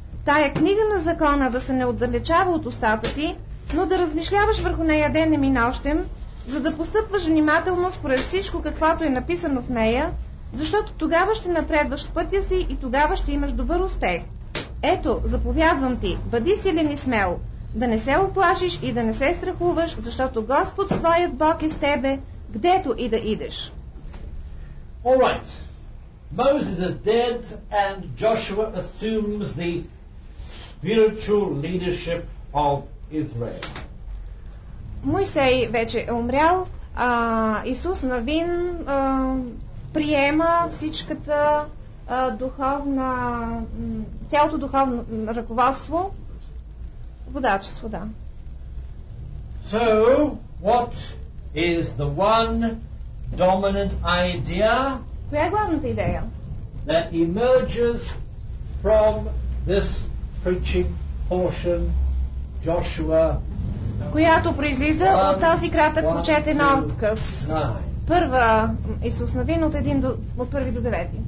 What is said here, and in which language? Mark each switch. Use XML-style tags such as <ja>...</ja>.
<bg>Тая книга на закона да се не отдалечава от устата ти, но да размишляваш върху нея денем и нощем, за да постъпваш внимателно според всичко, каквото е написано в нея, защото тогава ще напредваш в пътя си и тогава ще имаш добър успех. Ето, заповядвам ти, бъди силен и смел, да не се оплашиш и да не се страхуваш, защото Господ, твоят Бог, е с тебе, гдето и да идеш.</bg> <en>All right. Moses is dead and Joshua assumes the spiritual leadership of Israel.</en> <bg>Моисей вече е умрял, Исус Навин приема всичката духовна, цялото духовно ръководство, водачество, да.</bg> <en>So, what is the one dominant idea?</en> <bg>Коя е главната идея?</bg> <en>That emerges from this preaching portion, Joshua.</en> <bg>Която произлиза от тази кратък прочетен откъс. Първа Исус Навин от 1 до, от 1 до 9.</bg>